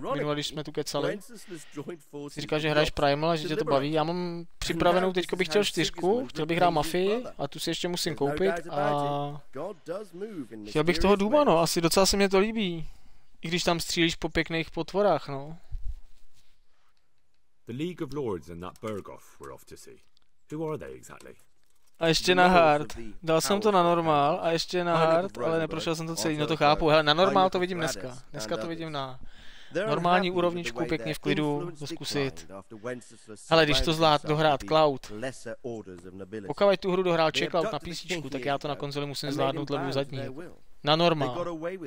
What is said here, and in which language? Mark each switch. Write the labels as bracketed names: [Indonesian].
[Czech] Minule, když jsme tu kecali. Jsi říkal, že hraješ Primal a že tě to baví. Já mám připravenou, teďko bych chtěl 4, chtěl bych hrát Mafii a tu si ještě musím koupit a chtěl bych toho Dooma, no, asi docela se mě to líbí. I když tam střílíš po pěkných potvorách, no. [English] The League of Lords and that Burgoff were off to see. Who are they exactly? [Czech] A ještě na hard. Dal jsem to na normál a ještě na hard, ale neprošel jsem to celý, no to chápu. Hele, na normál to vidím dneska. Dneska to vidím na normální úrovničku, pěkně v klidu, zkusit. Hele, když to zvlád dohrát Cloud, pokud tu hru dohrál Check Cloud na PCčku, tak já to na konzoli musím zvládnout levou zadní. Na normál.